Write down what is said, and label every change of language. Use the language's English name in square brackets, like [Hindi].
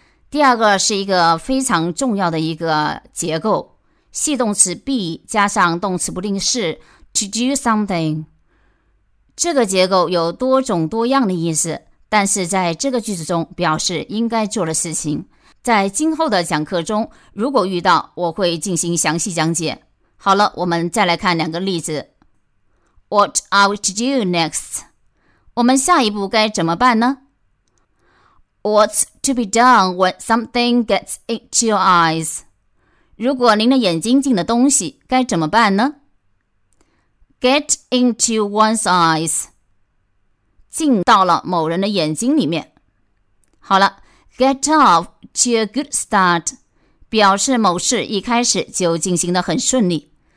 [Chinese] 第二个是一个非常重要的一个结构，系动词 be 加上动词不定式 [English] to do something， [Chinese] 这个结构有多种多样的意思，但是在这个句子中表示应该做的事情。在今后的讲课中，如果遇到，我会进行详细讲解。好了，我们再来看两个例子。 [English] What are we to do next? [Chinese] 我们下一步该怎么办呢？ [English] What's to be done when something gets into your eyes? [Chinese] 如果您的眼睛进了东西，该怎么办呢？ [English] Get into one's eyes， [Chinese] 进到了某人的眼睛里面。好了， [English] get off to a good start [Chinese] 表示某事一开始就进行得很顺利。